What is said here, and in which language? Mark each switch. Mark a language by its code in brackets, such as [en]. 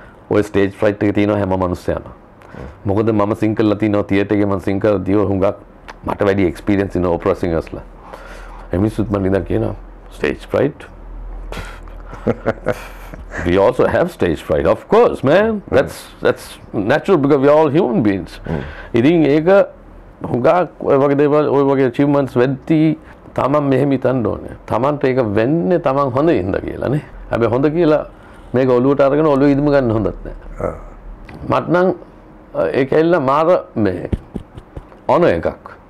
[si] ඔය ස්ටේජ් ෆ්‍රයිට් එක තියෙනවා හැම මනුස්සයම මොකද මම සිං කරලා තියෙනවා තියටර් එකේ මම සිං කරලා දියෝ හුඟක් මට වැඩි එක්ස්පීරියන්ස් ඉන්න ඔපරා සිංගර්ස්ලා එමි සුත් මලින්දා කියනවා stage ෆ්‍රයිට් [en] We also have stage fright, of course, man. That's natural because we're all human beings. [si] ඉතින් ඒක හුඟක් ඔය වගේ දේවල් ඔය වගේ achievements වෙද්දි තමන් මෙහෙම හිතන්න ඕනේ. තමන්ට ඒක වෙන්නේ තමන් හොඳ ඉඳලා කියලානේ. හැබැයි හොඳ කියලා මේක ඔළුවට අරගෙන ඔළුව ඉදම ගන්න හොඳත් නැහැ. මට නම් ඒක ඇල්ල මාර මේ ඕන එකක්.